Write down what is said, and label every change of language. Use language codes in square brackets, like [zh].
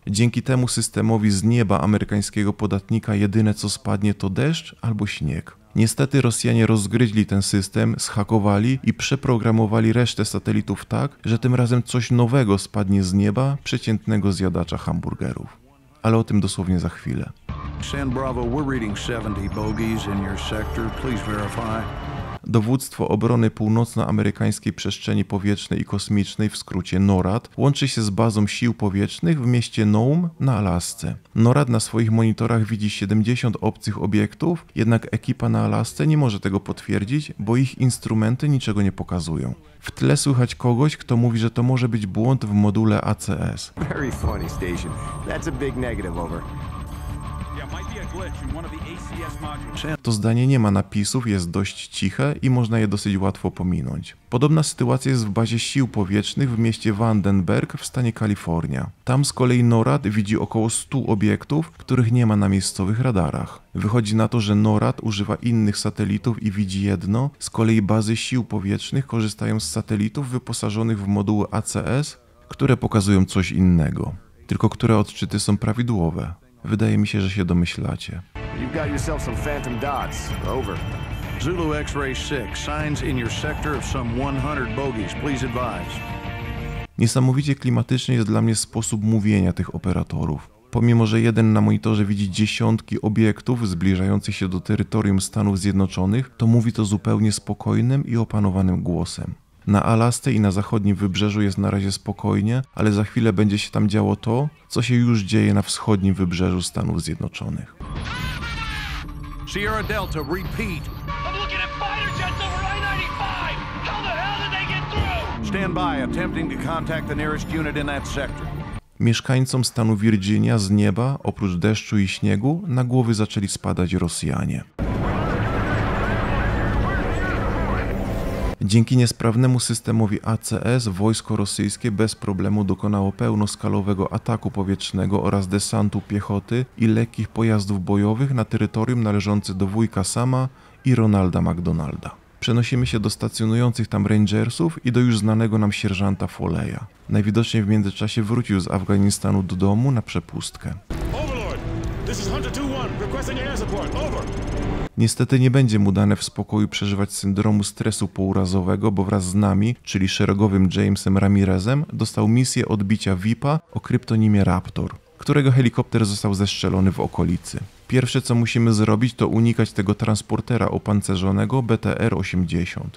[pl] Dzięki temu systemowi z nieba amerykańskiego podatnika jedyne co spadnie to deszcz albo śnieg. Niestety Rosjanie rozgryźli ten system, zhakowali i przeprogramowali resztę satelitów tak, że tym razem coś nowego spadnie z nieba przeciętnego zjadacza hamburgerów. Ale o tym dosłownie za chwilę. [en] San Bravo, we're reading 70 bogeys in your sector. Please verify. [pl] Dowództwo Obrony Północnoamerykańskiej Przestrzeni Powietrznej i Kosmicznej, w skrócie NORAD, łączy się z Bazą Sił Powietrznych w mieście Nome na Alasce. NORAD na swoich monitorach widzi 70 obcych obiektów, jednak ekipa na Alasce nie może tego potwierdzić, bo ich instrumenty niczego nie pokazują. W tle słychać kogoś, kto mówi, że to może być błąd w module ACS. [en] Very funny station. That's a big negative, over. [pl] To zdanie nie ma napisów, jest dość ciche i można je dosyć łatwo pominąć. Podobna sytuacja jest w bazie sił powietrznych w mieście Vandenberg w stanie Kalifornia. Tam z kolei NORAD widzi około 100 obiektów, których nie ma na miejscowych radarach. Wychodzi na to, że NORAD używa innych satelitów i widzi jedno, z kolei bazy sił powietrznych korzystają z satelitów wyposażonych w moduły ACS, które pokazują coś innego. Tylko które odczyty są prawidłowe? Wydaje mi się, że się domyślacie. [en] You've got yourself some phantom dots. Over. Zulu X-ray 6. Signs in your sector of some 100 bogeys. Please advise. [pl] Niesamowicie klimatyczny jest dla mnie sposób mówienia tych operatorów. Pomimo, że jeden na monitorze widzi dziesiątki obiektów zbliżających się do terytorium Stanów Zjednoczonych, to mówi to zupełnie spokojnym i opanowanym głosem. Na Alasce i na zachodnim wybrzeżu jest na razie spokojnie, ale za chwilę będzie się tam działo to, co się już dzieje na wschodnim wybrzeżu Stanów Zjednoczonych. [en] Sierra Delta, repeat. I'm looking at fighter jets over I-95. How the hell did they get through? Stand by, attempting to contact the nearest unit in that sector. [pl] Mieszkańcom stanu Virginia z nieba, oprócz deszczu i śniegu, na głowy zaczęli spadać Rosjanie. Dzięki niesprawnemu systemowi ACS wojsko rosyjskie bez problemu dokonało pełnoskalowego ataku powietrznego oraz desantu piechoty i lekkich pojazdów bojowych na terytorium należące do wujka Sama i Ronalda McDonalda. Przenosimy się do stacjonujących tam Rangersów i do już znanego nam sierżanta Foleya. Najwidoczniej w międzyczasie wrócił z Afganistanu do domu na przepustkę. [en] Overlord, this is Hunter 2-1, requesting air support. Over. [pl] Niestety nie będzie mu dane w spokoju przeżywać syndromu stresu pourazowego, bo wraz z nami, czyli szeregowym Jamesem Ramirezem, dostał misję odbicia VIP-a o kryptonimie Raptor, którego helikopter został zestrzelony w okolicy. Pierwsze co musimy zrobić, to unikać tego transportera opancerzonego BTR-80.